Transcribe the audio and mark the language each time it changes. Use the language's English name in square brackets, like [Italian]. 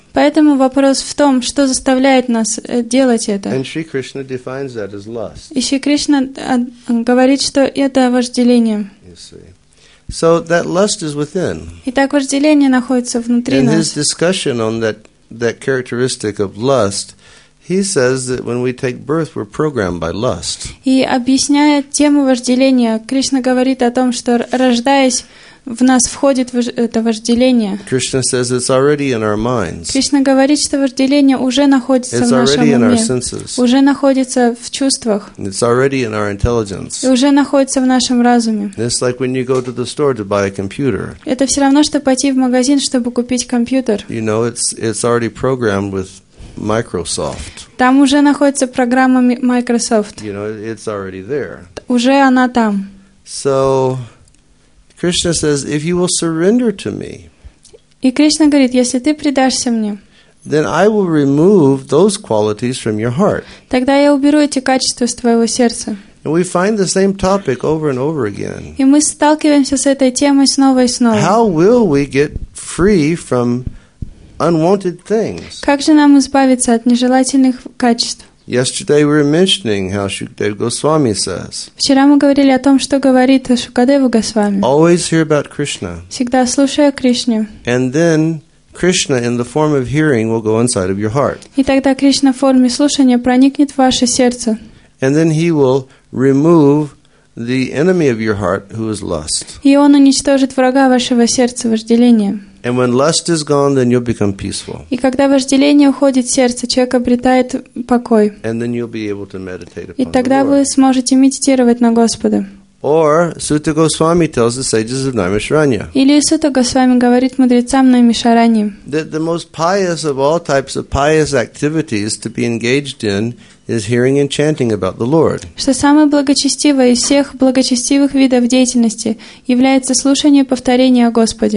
[Russian] Поэтому вопрос в том, что заставляет нас делать это. [English] And Sri Krishna defines that as lust. [Russian] И Шри Кришна говорит, что это вожделение. [English] So that lust is within. [Russian] Итак, вожделение находится внутри нас. [English] In his discussion on that characteristic of lust, he says that when we take birth, we're programmed by lust. [Russian] И объясняя тему вожделения, Кришна говорит о том, что рождаясь, в нас входит это вожделение. [English] Krishna says it's already in our minds. [Russian] Кришна говорит, что вожделение уже находится [English] it's [Russian] в нашем [English] already [Russian] уме, [English] in our senses. [Russian] Уже находится в чувствах. [English] It's already in our intelligence. [Russian] И уже находится в нашем разуме. [English] It's like when you go to the store to buy a computer. [Russian] Это все равно, что пойти в магазин, чтобы купить компьютер. [English] You know, it's already programmed with Microsoft. [Russian] Там уже находится программа Microsoft. [English] You know, it's already there. [Russian] Уже она там. [English] So Krishna says, if you will surrender to me, [Russian] и Кришна говорит, если ты предашься мне, [English] then I will remove those qualities from your heart. [Russian] Тогда я уберу эти качества с твоего сердца. [English] And we find the same topic over and over again. [Russian] И мы сталкиваемся с этой темой снова и снова. [English] How will we get free from unwanted things? [Russian] Как же нам избавиться от нежелательных качеств? [English] Yesterday we were mentioning how Shukadeva Goswami says. [Russian] Вчера мы говорили о том, что говорит Шукадева Госвами. [English] Always hear about Krishna. [Russian] Всегда слушай о Кришне. [English] And then Krishna, in the form of hearing, will go inside of your heart. [Russian] И тогда Кришна в форме слушания проникнет в ваше сердце. [English] And then he will remove the enemy of your heart, who is lust. [Russian] И он уничтожит врага вашего сердца, вожделение. [English] And when lust is gone, then you'll become peaceful. [Russian] И когда вожделение уходит в сердце, человек обретает покой. [English] And then you'll be able to meditate upon the Lord. [Russian] И тогда вы сможете медитировать на Господа. [English] Or Sutta Goswami tells the sages of Naimisharanya. [Russian] Или Сута Госвами говорит мудрецам Наймишарани. [English] That the most pious of all types of pious activities to be engaged in is hearing and chanting about the Lord. [Russian] Что самое благочестивое из всех благочестивых видов деятельности является слушание и повторение о Господе.